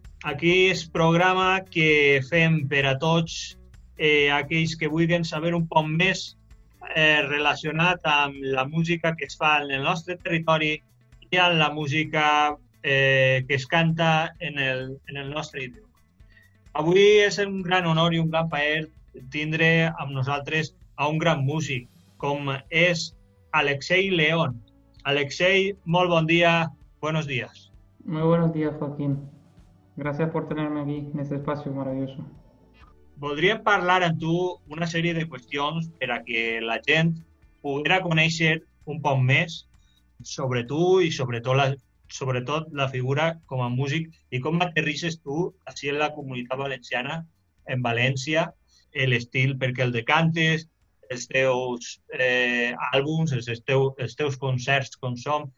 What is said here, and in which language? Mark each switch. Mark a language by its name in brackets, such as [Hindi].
[Catalan] Aquí és programa que fem per a tots aquells que vulguin saber un poc més relacionat amb la música que es fa en el nostre territori i amb la música que es canta en el nostre idioma. Avui és un gran honor i un gran plaer tindre amb nosaltres a un gran músic, com és Alexei León. Alexei, molt bon dia, [Spanish] buenos días. Muy buenos días, Joaquín. Gracias por tenerme aquí, en este espacio maravilloso. [Catalan] Voldríem parlar amb tu una sèrie de qüestions per a que la gent poguera conèixer un poc més sobre tu i sobretot la figura com a músic i com aterrisses tu així en la comunitat valenciana, en València, l'estil perquè el decantes, els teus àlbums, els teus concerts com som.